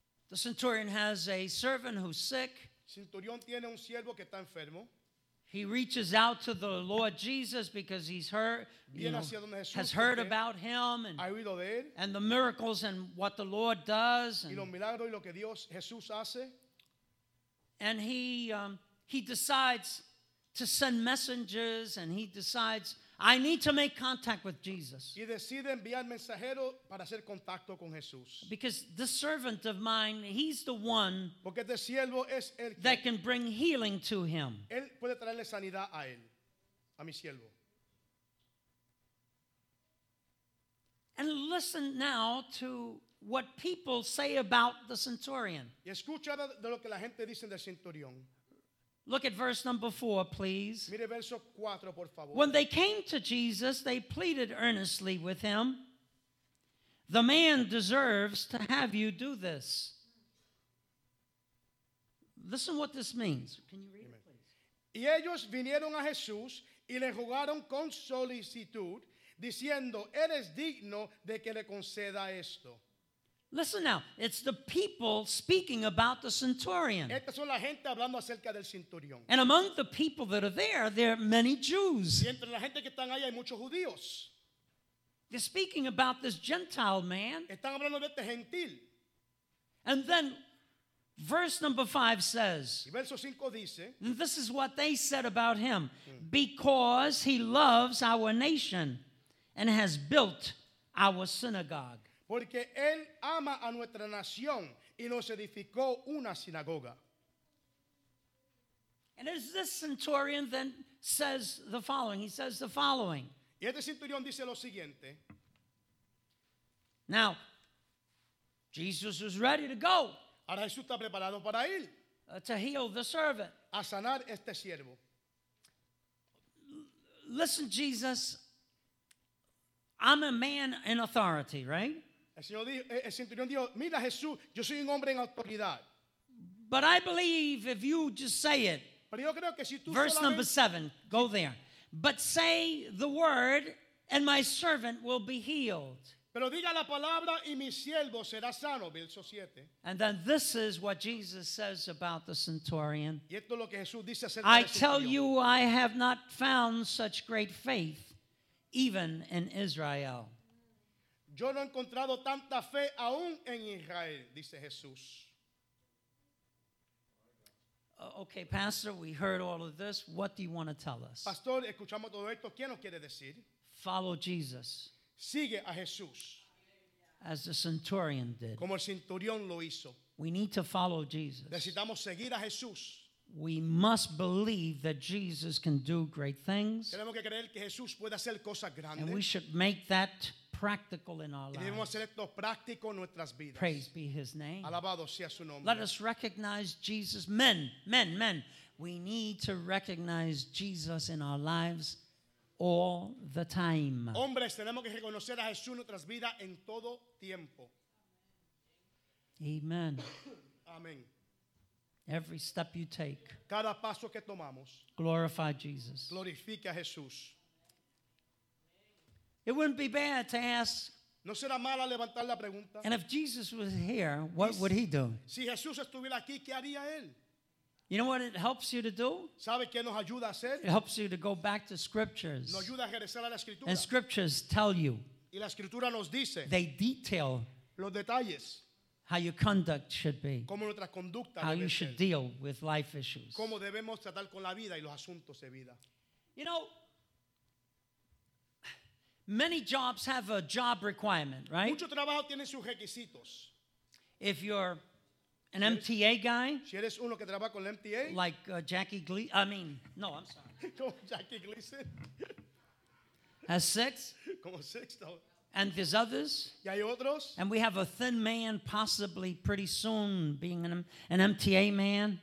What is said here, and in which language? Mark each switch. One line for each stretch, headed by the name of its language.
English: The centurion has a servant who's sick.
Spanish: centurión tiene un siervo que está enfermo.
English: He reaches out to the Lord Jesus because he's heard, has heard about him and the miracles and what the Lord does.
Spanish: Y los milagros y lo que Dios, Jesús hace.
English: And he decides to send messengers, and he decides, I need to make contact with Jesus.
Spanish: Y decide enviar mensajero para hacer contacto con Jesús.
English: Because the servant of mine, he's the one
Spanish: porque este siervo es el que
English: that can bring healing to him.
Spanish: Él puede traerle sanidad a él, a mi siervo.
English: And listen now to what people say about the centurion.
Spanish: Y escucha de lo que la gente dice del centurión.
English: Look at verse number 4, please.
Spanish: Mire verso 4, por favor.
English: When they came to Jesus, they pleaded earnestly with him, the man deserves to have you do this. Listen what this means. Can you read it, please?
Spanish: Y ellos vinieron a Jesús y le rogaron con solicitud, diciendo, eres digno de que le conceda esto.
English: Listen now, it's the people speaking about the centurion.
Spanish: Estas son la gente hablando acerca del centurión.
English: And among the people that are there, there are many Jews.
Spanish: Y entre la gente que están ahí, hay muchos judíos.
English: They're speaking about this Gentile man.
Spanish: Están hablando de este gentil.
English: And then verse number 5 says,
Spanish: y verso 5 dice,
English: and this is what they said about him, because he loves our nation and has built our synagogue.
Spanish: Porque él ama a nuestra nación y nos edificó una sinagoga.
English: And as this centurion then says the following, he says the following.
Spanish: Y este centurión dice lo siguiente.
English: Now, Jesus is ready to go.
Spanish: Ahora Jesús está preparado para ir.
English: To heal the servant.
Spanish: A sanar este siervo.
English: Listen, Jesus, I'm a man in authority, right?
Spanish: El centurión dijo, mira Jesús, yo soy un hombre en autoridad.
English: But I believe if you just say it,
Spanish: pero yo creo que si tú
English: verse number 7, go there. But say the word and my servant will be healed.
Spanish: Pero diga la palabra y mi siervo será sano, verso 7.
English: And then this is what Jesus says about the centurion.
Spanish: Y esto es lo que Jesús dice acerca del
English: centurión. I tell you, I have not found such great faith even in Israel.
Spanish: Yo no he encontrado tanta fe aún en Israel, dice Jesús.
English: Okay, Pastor, we heard all of this. What do you want to tell us?
Spanish: Pastor, escuchamos todo esto. ¿Qué nos quiere decir?
English: Follow Jesus.
Spanish: Sigue a Jesús.
English: As the centurion did.
Spanish: Como el centurión lo hizo.
English: We need to follow Jesus.
Spanish: Necesitamos seguir a Jesús.
English: We must believe that Jesus can do great things.
Spanish: Tenemos que creer que Jesús puede hacer cosas grandes.
English: And we should make that practical in our lives. Praise be his name.
Spanish: Alabado sea su nombre.
English: Let us recognize Jesus. Men, we need to recognize Jesus in our lives all the time.
Spanish: Hombres, tenemos que reconocer a Jesús en nuestras vidas en todo tiempo.
English: Amen.
Spanish: Amen.
English: Every step you take,
Spanish: cada paso que tomamos,
English: glorify Jesus.
Spanish: Glorifica a Jesús.
English: It wouldn't be bad to ask.
Spanish: No será mala levantar la pregunta.
English: And if Jesus was here, what would he do?
Spanish: Si Jesús estuviera aquí, ¿qué haría él?
English: You know what it helps you to do?
Spanish: ¿Sabe qué nos ayuda a hacer?
English: It helps you to go back to scriptures.
Spanish: Nos ayuda a regresar a la escritura.
English: And scriptures tell you.
Spanish: Y la escritura nos dice.
English: They detail
Spanish: los detalles.
English: How your conduct should be.
Spanish: Como nuestra conducta
English: how
Spanish: debe
English: you
Spanish: ser.
English: Should deal with life issues.
Spanish: Cómo debemos tratar con la vida y los asuntos de vida.
English: You know, many jobs have a job requirement, right?
Spanish: Mucho trabajo tiene sus requisitos.
English: If you're an MTA guy,
Spanish: si eres uno que trabaja con la MTA,
English: like I'm sorry. Jackie Gleason. Has six.
Spanish: Como six, no.
English: And there's others.
Spanish: Y hay otros.
English: And we have a thin man possibly pretty soon being an MTA man.